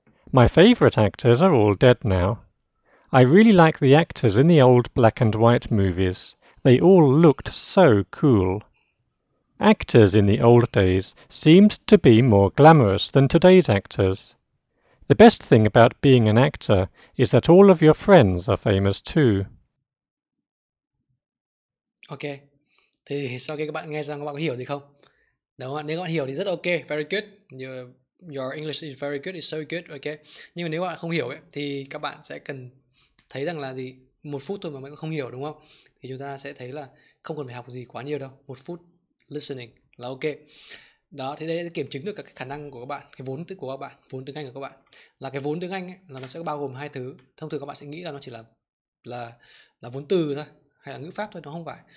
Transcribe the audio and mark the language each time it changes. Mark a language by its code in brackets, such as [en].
[en] My favourite actors are all dead now. I really like the actors in the old black and white movies. They all looked so cool. Actors in the old days seemed to be more glamorous than today's actors. The best thing about being an actor is that all of your friends are famous too. [vi] Ok, thì sau khi các bạn nghe xong các bạn có hiểu gì không? Đúng không ạ? Nếu các bạn hiểu thì rất ok, [en] very good. Your English is very good, it's so good, ok. [vi] Nhưng mà nếu các bạn không hiểu ấy, thì các bạn sẽ cần thấy rằng là gì? Một phút thôi mà mình không hiểu, đúng không? Thì chúng ta sẽ thấy là không cần phải học gì quá nhiều đâu. Một phút listening là ok. Đó, thì đây sẽ kiểm chứng được cái khả năng của các bạn, cái vốn tiếng của các bạn, vốn tiếng Anh của các bạn. Là cái vốn tiếng Anh ấy, là nó sẽ bao gồm hai thứ. Thông thường các bạn sẽ nghĩ là nó chỉ là vốn từ thôi, hay là ngữ pháp thôi, nó không phải.